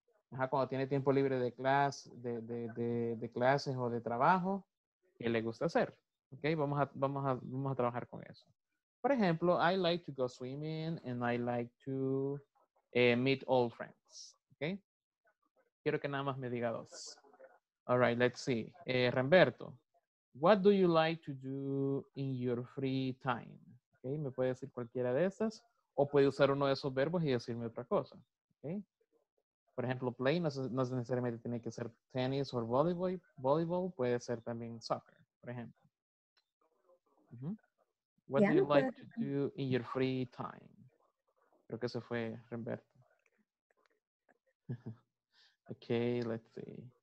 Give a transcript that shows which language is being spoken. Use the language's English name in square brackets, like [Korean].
[Spanish] cuando tiene tiempo libre de clase, de clases o de trabajo, ¿qué le gusta hacer? Ok, vamos a trabajar con eso. Por ejemplo, [English] I like to go swimming and I like to meet old friends. [Spanish] Ok, quiero que nada más me diga dos. [English] All right, let's see. Remberto, what do you like to do in your free time? [Spanish] Ok, me puede decir cualquiera de esas o puede usar uno de esos verbos y decirme otra cosa. Ok. Por ejemplo, play no necesariamente tiene que ser tenis o volleyball, puede ser también soccer, por ejemplo. [English] What do you like to do in your free time? [Spanish] Creo que se fue Remberto. [English] Okay, let's see.